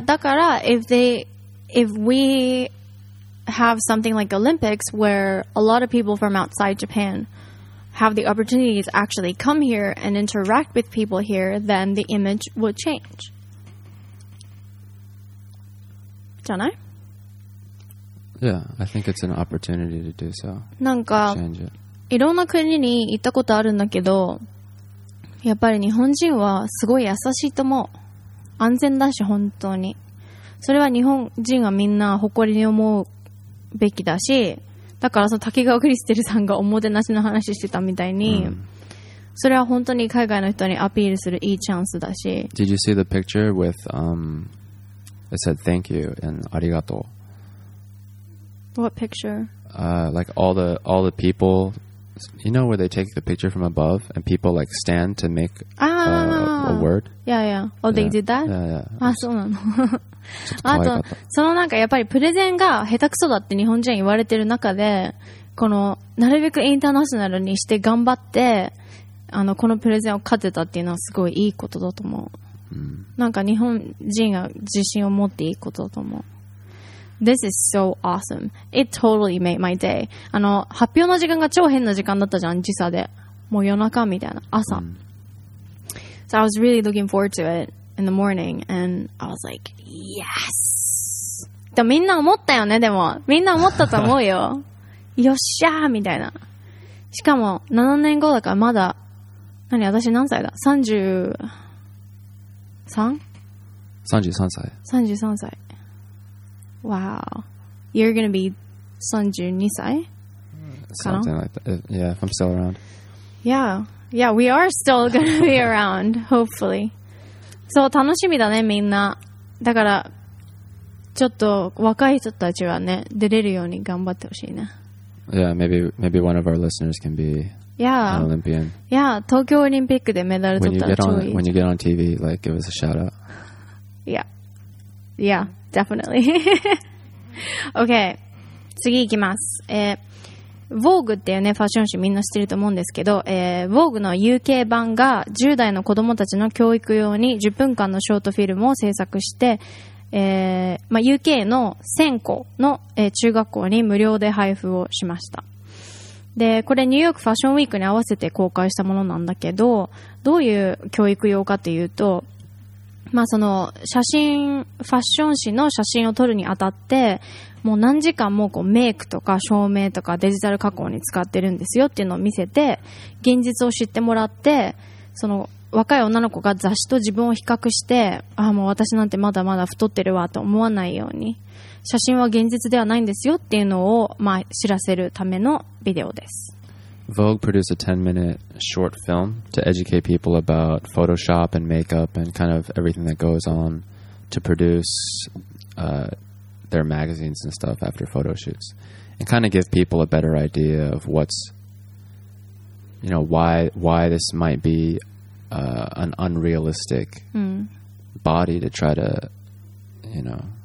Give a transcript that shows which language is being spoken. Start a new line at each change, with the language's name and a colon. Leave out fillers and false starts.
Japanese: Dakara,
English: if we have something like Olympics where a lot of people from outside Japan have the opportunity to actually come here and interact with people here, then the image will change.
Japanese: Janai?
English: Yeah, I think it's an opportunity to do so.
Japanese: Nanka, いろんな国に行ったことあるんだけど、やっぱり日本人はすごい優しいと思う。安全だし、本当に。それは日本人はみんな誇りに思うべきだし、だからその竹川クリステルさんがおもてなしの話してたみたいに、それは本当に海外の人にアピールするいいチャンスだし。
English: Did you see the picture with, it said thank you and ありがとう。 What picture? Like all the people, you know where they take the picture from above and people like stand to make a word? Yeah, yeah. Oh, they did that? Yeah, yeah.
Japanese: あ、そうなの。あと、そのなんかやっぱりプレゼンが下手くそだって日本人言われてる中で、このなるべくインターナショナルにして頑張って、あの、このプレゼンを勝てたっていうのはすごいいいことだと思う。なんか日本人が自信を持っていいことだと思う。
English: This is so awesome. It totally made my day.
Japanese: あの、発表の時間が超変な時間だったじゃん、時差で。もう夜中みたいな、朝。
English: So I was really looking forward to it in the morning, and I was like, yes!
Japanese: でもみんな思ったよね、でも。みんな思ったと思うよ。よっしゃーみたいな。しかも、7年後だからまだ、何、私何歳だ ?33?33 歳。 33歳。
English: Wow. You're going to be 32 歳?Something like that. Yeah, if I'm still around. Yeah. Yeah, we are still going to be around, hopefully.
Japanese: So, 楽しみだね、みんな。だから、ちょっと若い人たちはね、出れるように頑張ってほしいね。
English: Yeah, maybe one of our listeners can be an Olympian.
Japanese: Yeah, 東京オリンピックでメダル取ったら超いいじゃん。
English: When you get on TV, like, give us a shout out. Yeah. Yeah. Definitely. OK.
Japanese: 次いきます。 Vogue っていうね、ファッション誌みんな知ってると思うんですけど、Vogue の UK 版が10代の子供たちの教育用に10分間のショートフィルムを制作して、まあ、UK の1000校の、中学校に無料で配布をしました。で、これニューヨークファッションウィークに合わせて公開したものなんだけど、どういう教育用かというと、まあその写真、ファッション誌の写真を撮るにあたって、もう何時間もこうメイクとか照明とかデジタル加工に使ってるんですよっていうのを見せて、現実を知ってもらって、その若い女の子が雑誌と自分を比較して、ああもう私なんてまだまだ太ってるわと思わないように、写真は現実ではないんですよっていうのをまあ知らせるためのビデオです。
English: Vogue produced a 10-minute short film to educate people about Photoshop and makeup and kind of everything that goes on to produce their magazines and stuff after photo shoots. And kind of give people a better idea of what's, you know, why this might be an unrealistic body to try to, you know...